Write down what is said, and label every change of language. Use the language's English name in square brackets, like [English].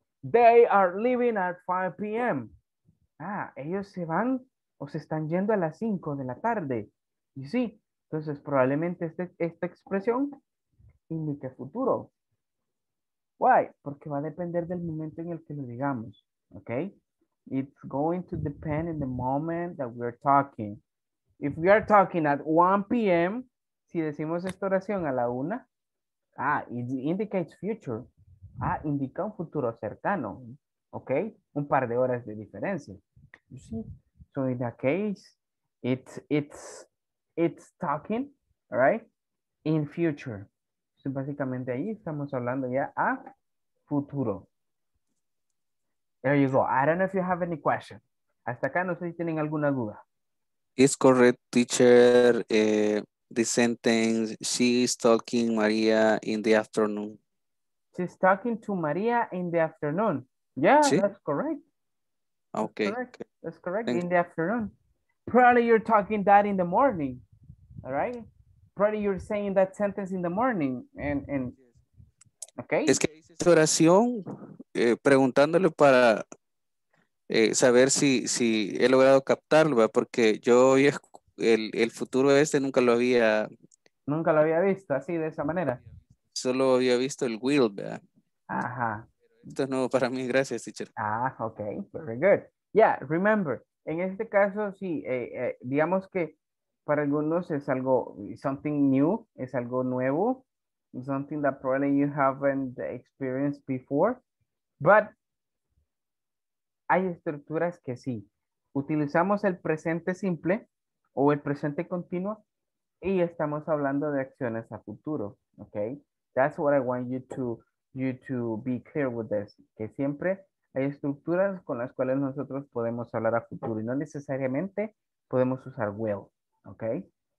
[English] They are leaving at 5 p.m. [Spanish] Ah, ellos se van o se están yendo a las 5 de la tarde. [English] You see? [Spanish] Entonces, probablemente esta expresión indique futuro. [English] Why? [Spanish] Porque va a depender del momento en el que lo digamos. [English] Okay? It's going to depend in the moment that we're talking. If we are talking at 1 p.m., [Spanish] si decimos esta oración a la [English] 1, it indicates future. [Spanish] Indica un futuro cercano, ¿ok? Un par de horas de diferencia. [English] You see? So in that case, it's talking, right? In future. [Spanish] So básicamente ahí estamos hablando ya a futuro. [English] There you go. I don't know if you have any question. [Spanish] Hasta acá no sé si tienen alguna duda. [English] It's correct, teacher. The sentence, she is talking Maria in the afternoon. She's talking to Maria in the afternoon. Yeah, sí. That's correct. Okay. That's correct. Okay. In the afternoon. Probably you're talking that in the morning. All right? Probably you're saying that sentence in the morning. And okay? [Spanish] Es que hice esta oración preguntándole para saber si he logrado captarlo, ¿verdad? Porque yo el futuro este nunca lo había... Nunca lo había visto así, de esa manera. Solo había visto el will, ¿verdad? Ajá. Esto es nuevo para mí. Gracias, teacher. [English] Ah, ok. Very good. Yeah, remember. [Spanish] En este caso, sí. Digamos que para algunos es algo, [English] something new, [Spanish] es algo nuevo. [English] Something that probably you haven't experienced before. [Spanish] But hay estructuras que sí. Utilizamos el presente simple o el presente continuo y estamos hablando de acciones a futuro. [English] Ok. That's what I want you to be clear with this. [Spanish] Que siempre hay estructuras con las cuales nosotros podemos hablar a futuro y no necesariamente podemos usar will, okay?